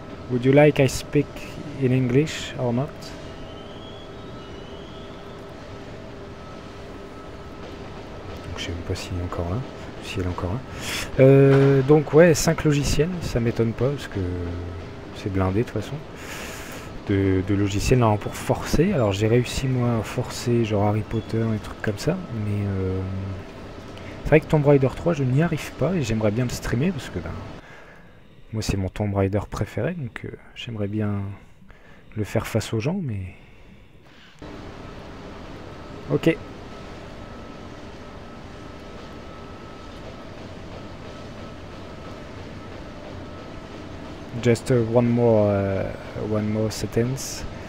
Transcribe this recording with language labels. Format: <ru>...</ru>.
<en>Would you like I speak in English or not?</en> <fr>Donc, je sais même pas s'il est encore là. Si elle est encore là. Donc ouais, 5 logiciels, ça m'étonne pas parce que c'est blindé de toute façon. De logiciels non, pour forcer. Alors j'ai réussi moi à forcer genre Harry Potter et trucs comme ça, mais c'est vrai que Tomb Raider 3 je n'y arrive pas et j'aimerais bien le streamer parce que ben moi c'est mon Tomb Raider préféré, donc j'aimerais bien le faire face aux gens. Mais</fr> <en>ok, just one more sentence.</en>